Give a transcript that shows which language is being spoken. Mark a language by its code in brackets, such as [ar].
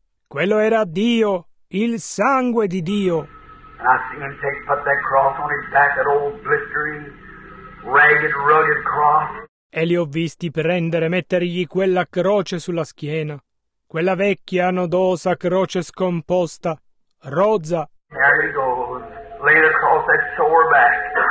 [it] Quello era Dio, il sangue di Dio. [en] And I see him take up that cross on his back, that old blistering, ragged, rugged cross. [it] E li ho visti prendere, mettergli quella croce sulla schiena. Quella vecchia, nodosa croce scomposta, rozza. [en] There he goes, laid across that sore back.